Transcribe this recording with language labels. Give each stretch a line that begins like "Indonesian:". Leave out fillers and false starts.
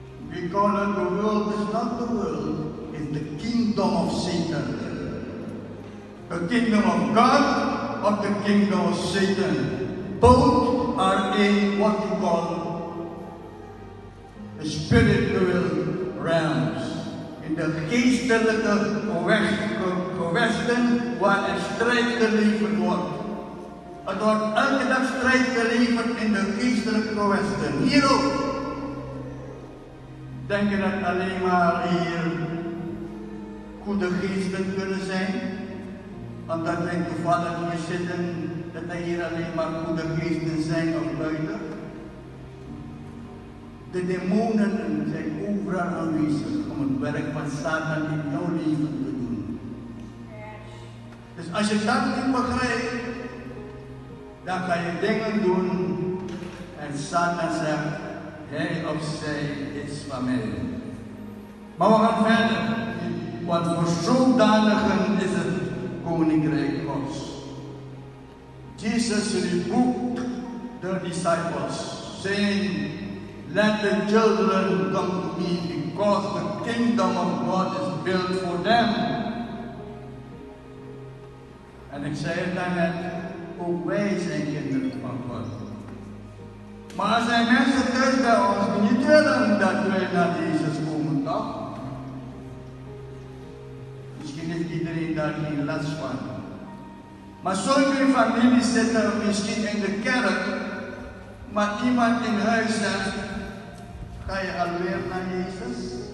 English: We call it the world is not the world, it's the kingdom of Satan. The kingdom of God or the kingdom of Satan. Both are in what you call the spiritual realms.
Dutch: In de geestelijke gewesten waar er strijd geleverd wordt. Het wordt elke dag strijd geleverd in de geestelijke gewesten. Hier ook. Denk je dat alleen maar hier goede geesten kunnen zijn? Want dat denkt de vader die zitten, dat er hier alleen maar goede geesten zijn of buiten. De demonen zijn overal aanwezig om het werk van Satan in jouw leven te doen. Dus als je dat niet begrijpt, dan ga je dingen doen en Satan zegt, hij of zij is van mij. Maar we gaan verder. Want voor zodanigen is het koninkrijk Gods.
English: Jesus rebuked the disciples, saying, let the children come to me, because the kingdom of God is built for them.
Dutch: En ik zei het daarnet, ook wij zijn kinderen van God. Maar er zijn mensen thuis bij ons die niet willen dat wij naar Jezus komen, toch? Misschien heeft iedereen daar geen last van. Maar sommige familie zit er misschien in de kerk, maar iemand in huis zegt, ga je alweer naar Jezus?